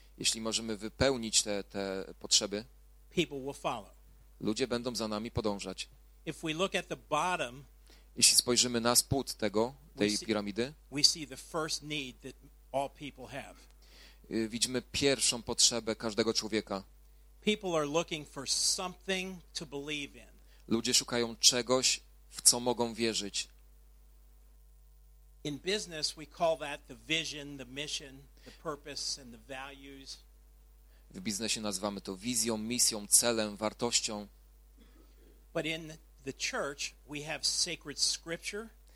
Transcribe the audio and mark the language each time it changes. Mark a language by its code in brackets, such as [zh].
[pl] jeśli możemy wypełnić te potrzeby, [en] people will follow. [pl] Ludzie będą za nami podążać. [en] If we look at the bottom, [pl] jeśli spojrzymy na spód tej piramidy, [en] we see the first need that all people have. [pl] Widzimy pierwszą potrzebę każdego człowieka. [en] People are looking for something to believe in. [pl] Ludzie szukają czegoś, w co mogą wierzyć. [en] In business we call that the vision, the mission, the purpose and the values. [pl] W biznesie nazywamy to wizją, misją, celem, wartością. [en] But in the church we have sacred scripture.